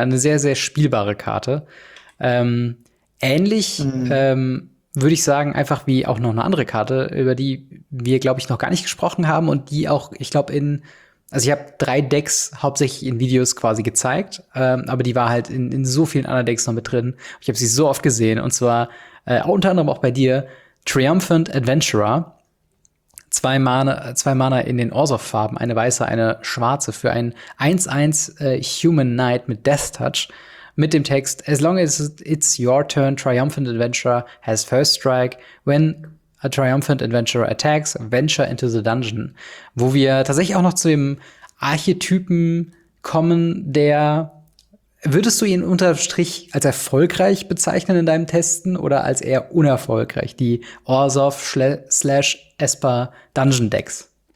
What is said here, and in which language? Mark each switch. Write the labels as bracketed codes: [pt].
[de] Eine sehr, sehr spielbare Karte. Würde ich sagen, einfach wie auch noch eine andere Karte, über die wir, glaube ich, noch gar nicht gesprochen haben und die auch, ich glaube, ich habe 3 Decks hauptsächlich in Videos quasi gezeigt, aber die war halt in so vielen anderen Decks noch mit drin. Ich habe sie so oft gesehen und zwar unter anderem auch bei dir, Triumphant Adventurer. 2 Mana in den Orzhov-Farben, eine weiße, eine schwarze für einen 1-1 Human Knight mit Death Touch. Mit dem Text, [en] as long as it's your turn, Triumphant Adventurer has first strike. When a Triumphant Adventurer attacks, venture into the dungeon. [de] Wo wir tatsächlich auch noch zu dem Archetypen kommen, der, würdest du ihn unter Strich als erfolgreich bezeichnen in deinem Testen oder als eher unerfolgreich? Die Orzhov / Esper Dungeon Decks.